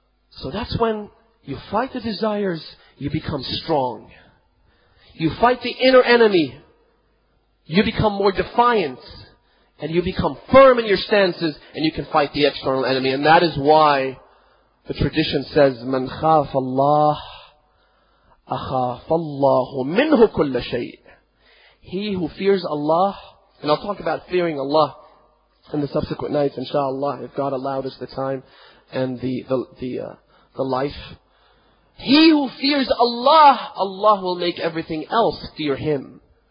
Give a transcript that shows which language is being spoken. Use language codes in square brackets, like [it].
[en] So that's when you fight the desires, you become strong. You fight the inner enemy, you become more defiant, and you become firm in your stances, and you can fight the external enemy. And that is why the tradition says, [ar] مَنْ خَافَ اللَّهُ أَخَافَ اللَّهُ مِنْهُ كُلَّ شَيْءٍ. [en] He who fears Allah, and I'll talk about fearing Allah in the subsequent nights, inshallah, if God allowed us the time and the life. He who fears Allah, Allah will make everything else fear him.